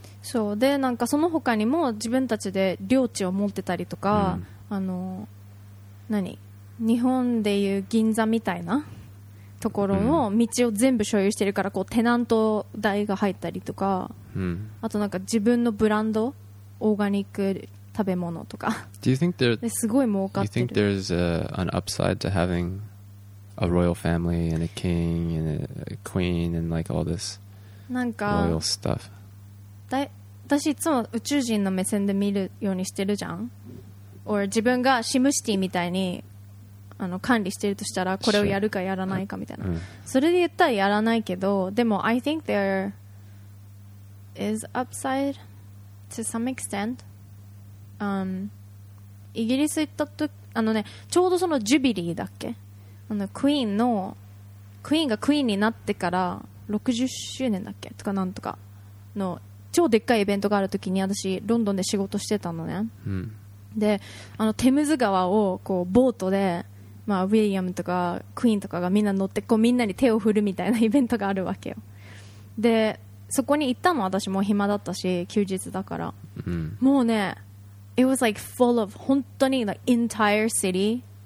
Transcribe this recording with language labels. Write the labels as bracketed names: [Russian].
[Japanese] そうでなんかその他にも自分たちで領地を持ってたりとか、うん、あの何日本でいう銀座みたいなところの道を全部所有してるからこうテナント代が入ったりとか、うん、あとなんか自分のブランドオーガニック食べ物とか [English] Do you think there, [Japanese] ですごい儲かってる [English] Do you think there's a, an upside to having a royal family and a king and a queen and like all this [Japanese] なんか [English] royal stuff? [Japanese] 私いつも宇宙人の目線で見るようにしてるじゃん Or, 自分がシムシティみたいにあの管理してるとしたらこれをやるかやらないかみたいな、うん、それで言ったらやらないけどでも [English] I think there is upside to some extent、 [Japanese] イギリス行った時あの、ね、ちょうどそのジュビリーだっけあのクイーンのクイーンがクイーンになってから60周年だっけとかなんとかの超でっかいイベントがあるときに私ロンドンで仕事してたのね、うん、であのテムズ川をこうボートで、まあ、ウィリアムとかクイーンとかがみんな乗ってこうみんなに手を振るみたいなイベントがあるわけよでそこに行ったの私も暇だったし休日だから、うん、 [English] もうね It was like full of 本当に the entire city、